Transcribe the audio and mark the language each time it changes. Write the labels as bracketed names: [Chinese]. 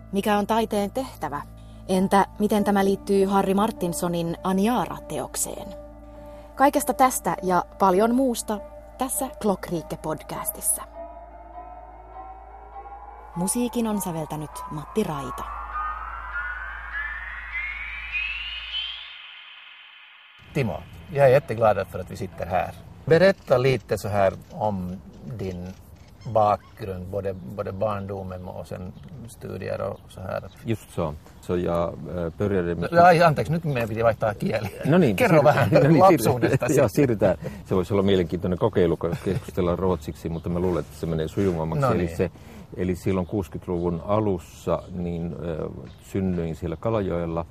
[Finnish] Mikä on taiteen tehtävä? Entä miten tämä liittyy Harry Martinsonin Aniara-teokseen? Kaikesta tästä ja paljon muusta tässä Klockrike-podcastissa. Musiikin on säveltänyt Matti Raita. [Swedish] Timo, jag är jätteglad för att vi sitter här. Berätta lite så här om din bakgrund, både barndomen och sen studier och så här. Just så. Så jag började med... [Finnish] Anteeksi, nyt meidän piti vaihtaa kieli. No niin. Kerro vähän lapsuudestasi. Joo, siirrytään. Se voisi olla mielenkiintoinen kokeilu, kun keskustellaan ruotsiksi, mutta mä luulen, että se menee sujuvammaksi. No niin. Eli silloin 60-luvun alussa niin synnyin siellä Kalajoella.